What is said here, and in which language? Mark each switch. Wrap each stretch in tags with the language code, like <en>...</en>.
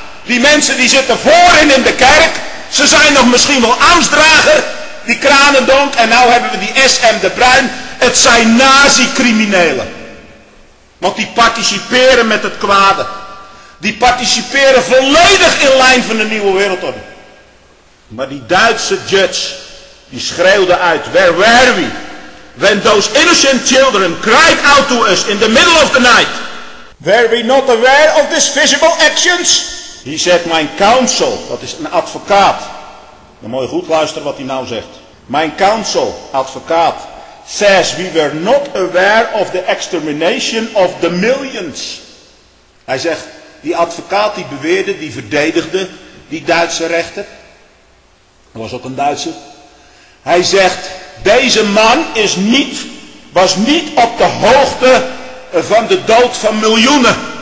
<nl>Die mensen die zitten voorin in de kerk, ze zijn nog misschien wel angstdrager, die Kranendonk, en nou hebben we die S.M. de Bruin. Het zijn nazi-criminelen. Want die participeren met het kwade. Die participeren volledig in lijn van de nieuwe wereldorde. Maar die Duitse judge, die schreeuwde uit,</nl> <en>where were we? When those innocent children cried out to us in the middle of the night. Were we not aware of these visible actions? He said,</en> <nl>mijn counsel, dat is een advocaat. Dan moet je goed luisteren wat hij nou zegt.</nl> <en>Mijn counsel, advocaat, says we were not aware of the extermination of the millions.</en> <nl>Hij zegt, die advocaat die beweerde, die verdedigde, die Duitse rechter. Dat was ook een Duitse. Hij zegt, deze man was niet op de hoogte van de dood van miljoenen.</nl>